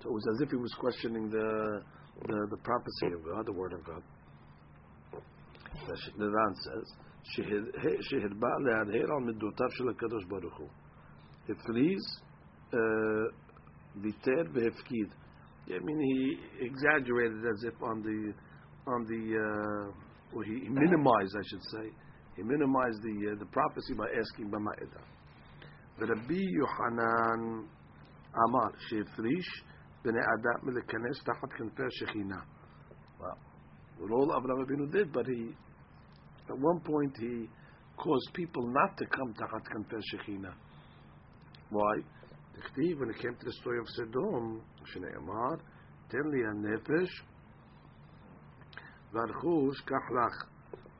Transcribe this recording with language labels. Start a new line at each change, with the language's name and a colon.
English: So it was as if he was questioning the prophecy of God, the word of God. The Ran says,
Hebrew: שהרבה להרהר על מדותיו של הקדוש ברוך הוא. הפריז, ויתר והפקיד.
English: I mean, he exaggerated as if he minimized, I should say, he minimized the prophecy by asking במעדה.
Hebrew: ורבי יוחנן אמר שהפריש בני אדם מלכנס תחת כנפי השכינה.
English: Well, all אברהם אבינו did, but he at one point he caused people not to come to
Hebrew: Tachat Kanfei Shechina.
English: Why? When it came to the story of Sodom,
Hebrew: Shneimar, Ten li hanefesh v'rechush kach lach.